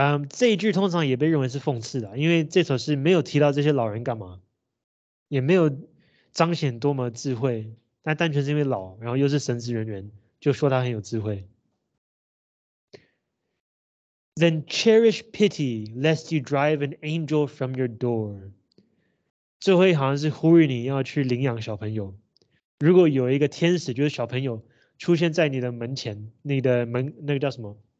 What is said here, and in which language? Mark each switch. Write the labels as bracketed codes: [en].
[zh] 这一句通常也被认为是讽刺的，因为这首诗没有提到这些老人干嘛，也没有彰显多么智慧，但单纯是因为老，然后又是神职人员，就说他很有智慧。 [en] Then cherish pity lest you drive an angel from your door. [zh] 最后一行是呼吁你要去领养小朋友，如果有一个天使，就是小朋友，出现在你的门前，你的门那个叫什么？